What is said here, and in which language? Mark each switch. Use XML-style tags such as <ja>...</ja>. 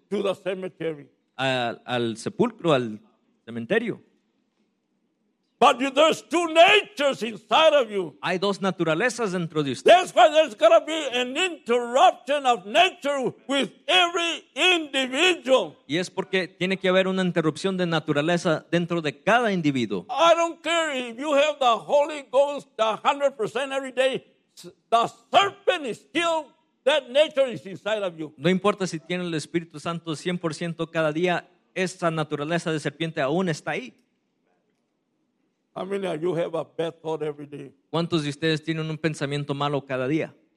<en>To the cemetery.</en> <es>Al sepulcro, al cementerio.</es> <en>But there's two natures inside of you.</en> <es>Hay dos naturalezas dentro de usted.</es> <en>That's why there's going to be an interruption of nature with every individual.</en> <es>Y es porque tiene que haber una interrupción de naturaleza dentro de cada individuo.</es> <en>I don't care if you have the Holy Ghost 100% every day the serpent is still, that nature is inside of you.</en> <es>No importa si tiene el Espíritu Santo 100% cada día, esa naturaleza de serpiente aún está ahí.</es> <en>How many of you have a bad thought every day?</en> <es>¿Cuántos de ustedes tienen un pensamiento malo cada día?</es>